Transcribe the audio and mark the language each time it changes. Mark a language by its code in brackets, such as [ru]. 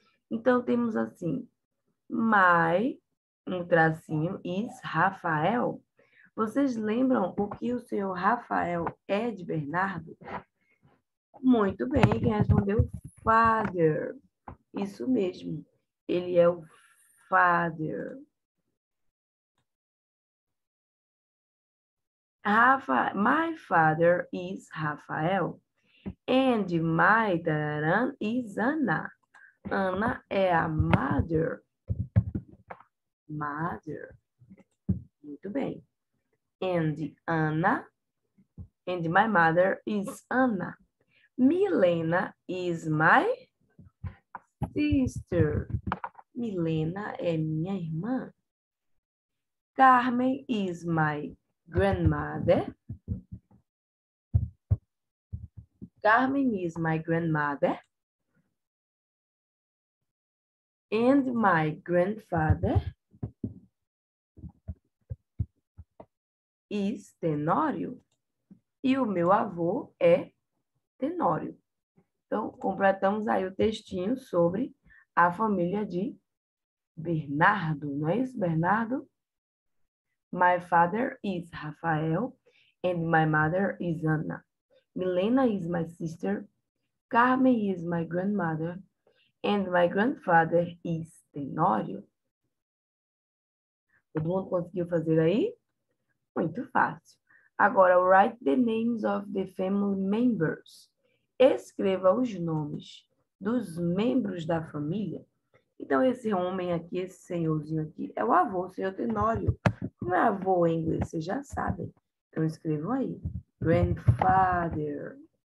[pt] Então, temos assim: My. Um tracinho, [en] is Rafael. [pt] Vocês lembram o que o senhor Rafael é de Bernardo? Muito bem, quem respondeu? Father. Isso mesmo, ele é o father. [en] Rafa, my father is Rafael. And my daran is Ana. [pt] Ana é a mother. [en] Mother. [pt] Muito bem. [en] And Anna And my mother is Anna. Milena is my sister. [pt] Milena é minha irmã. [en] Carmen is my grandmother. Carmen is my grandmother. And my grandfather is Tenório. [pt] E o meu avô é Tenório. Então, completamos aí o textinho sobre a família de Bernardo, não é isso, Bernardo? [en] My father is Rafael and my mother is Anna. Milena is my sister. Carmen is my grandmother. And my grandfather is Tenório. [pt] Todo mundo conseguiu fazer aí? Muito fácil. Agora, [en] write the names of the family members. [pt] Escreva os nomes dos membros da família. Então, esse homem aqui, esse senhorzinho aqui, é o avô, o senhor Tenório. Como é avô em inglês? Vocês já sabem. Então, escrevam aí. [en] Grandfather.